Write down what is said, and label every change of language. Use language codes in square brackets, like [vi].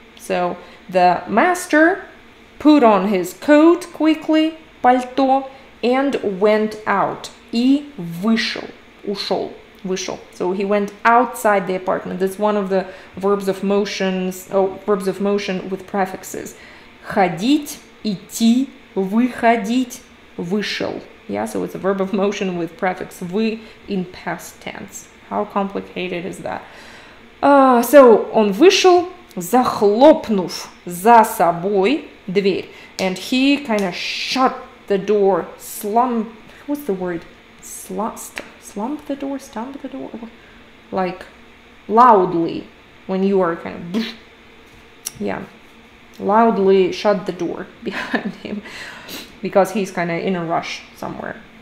[en] So the master put on his coat quickly, пальто, and went out. [ru] И вышел, ушел, вышел. [en] So he went outside the apartment. That's one of the verbs of motions, verbs of motion with prefixes. [ru] Ходить, идти, выходить, вышел. [en] Yeah, so it's a verb of motion with prefix вы in past tense. How complicated is that? [ru] So он вышел, захлопнув за собой дверь. [en] And he kind of shut the door, stomp the door, like loudly, when you are kind of, loudly shut the door behind him, because he's kind of in a rush somewhere.